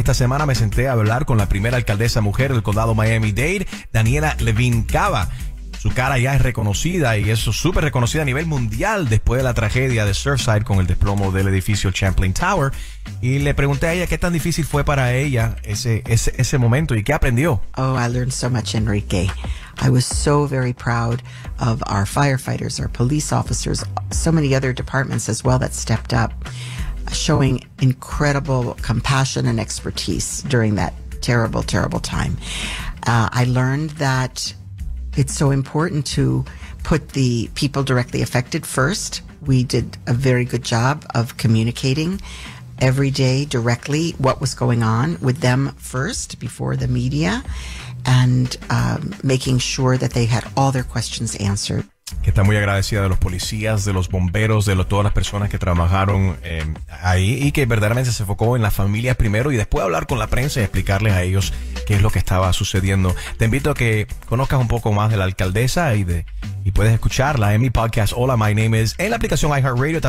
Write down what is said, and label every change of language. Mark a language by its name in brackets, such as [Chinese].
[Spanish] Esta semana me senté a hablar con la primera alcaldesa mujer del condado Miami-Dade, Daniela Levin Cava. Su cara ya es reconocida y es súper reconocida a nivel mundial después de la tragedia de Surfside con el desplomo del edificio Champlain Tower. Y le pregunté a ella qué tan difícil fue para ella ese momento y qué aprendió. [English] Oh, I learned so much, Enrique. I was so very proud of our firefighters, our police officers, so many other departments as well that stepped up, showing incredible compassion and expertise during that terrible, terrible time. I learned that it's so important to put the people directly affected first. We did a very good job of communicating every day directly what was going on with them first before the media, and making sure that they had all their questions answered. [Spanish] Que está muy agradecida de los policías, de los bomberos, de todas las personas que trabajaron ahí y que verdaderamente se enfocó en las familias primero y después hablar con la prensa y explicarles a ellos qué es lo que estaba sucediendo. Te invito a que conozcas un poco más de la alcaldesa y puedes escucharla en mi podcast Hola, My Name Is en la aplicación iHeartRadio.